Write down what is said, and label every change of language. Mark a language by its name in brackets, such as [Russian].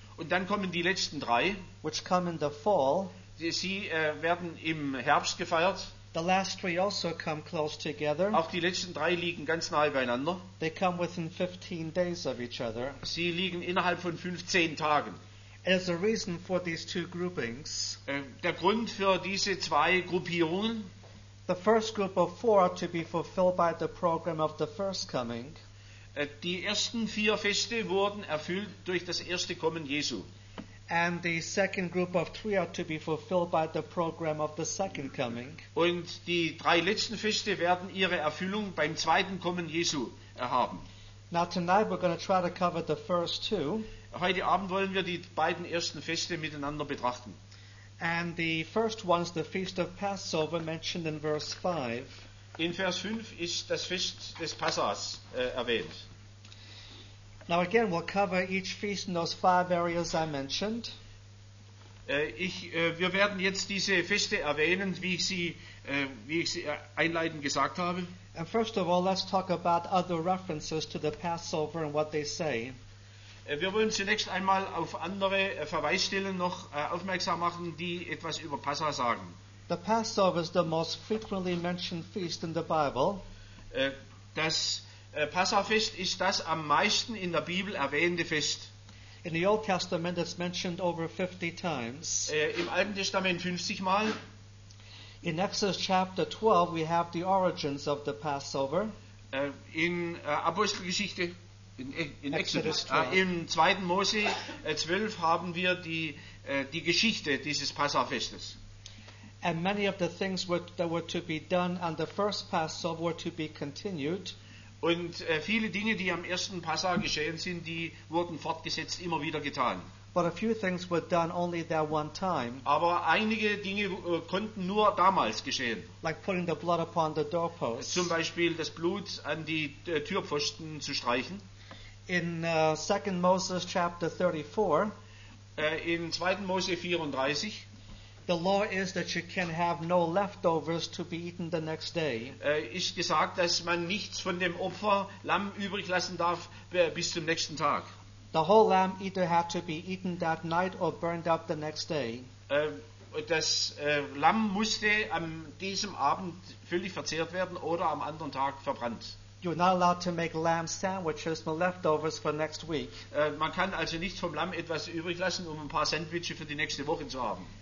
[German] Und dann kommen die letzten drei. [English] Which come in the fall. [German] Sie werden im Herbst gefeiert. [English] The last three also come close together. [German] Auch die letzten drei liegen ganz nahe beieinander. [English] They come within 15 days of each other. [German] Sie liegen innerhalb von 15 Tagen. [English] There's a reason for these two groupings. [German] Der Grund für diese zwei Gruppierungen. [English] The first group of four are to be fulfilled by the program of the first coming. [German] Die ersten vier Feste wurden erfüllt durch das erste Kommen Jesu. [English] And the second group of three are to be fulfilled by the program of the second coming. [German] Und die drei letzten Feste werden ihre Erfüllung beim zweiten Kommen Jesu haben. [English] Now tonight we're going to try to cover the first two. [German] Heute Abend wollen wir die beiden ersten Feste miteinander betrachten. [English] And the first one is the Feast of Passover mentioned in verse 5. [German] In Vers 5 ist das Fest des Passas erwähnt. [English] Now again, we'll cover each feast in those five areas I mentioned. [German] Wir werden jetzt diese Feste erwähnen, wie ich sie einleitend gesagt habe. [English] And first of all, let's talk about other references to the Passover and what they say. [German] Wir wollen zunächst einmal auf andere Verweisstellen noch aufmerksam machen, die etwas über Passa sagen. [English] The Passover is the most frequently mentioned feast in the Bible. [German] Passafest ist das am meisten in der Bibel erwähnte Fest. [English] In the Old Testament it's mentioned over 50 times. [German] Im Alten Testament 50 Mal. [English] In Exodus chapter 12 we have the origins of the Passover. [German] Im zweiten Mose 12 haben wir die Geschichte dieses Passafestes. [English] And many of the things that were to be done on the first Passover were to be continued. [German] Und viele Dinge, die am ersten Passa geschehen sind, die wurden fortgesetzt, immer wieder getan. [English] But a few things were done only that one time. [German] Aber einige Dinge konnten nur damals geschehen. [English] Like putting the blood upon the doorpost. [German] Zum Beispiel das Blut an die Türpfosten zu streichen. [English] In 2 Moses chapter 34. [German] In 2. Mose 34. [English] The law is that you can have no leftovers to be eaten the next day. [German] Ist gesagt, dass man nichts von dem Opferlamm übrig lassen darf bis zum nächsten Tag. [English] The whole lamb either had to be eaten that night or burned up the next day. [German] Das Lamm musste an diesem Abend völlig verzehrt werden oder am anderen Tag verbrannt. [English] You are not allowed to make lamb sandwiches for leftovers for next week. [German] Man kann also nicht vom Lamm etwas übrig lassen, um ein paar Sandwiche für die nächste Woche zu haben.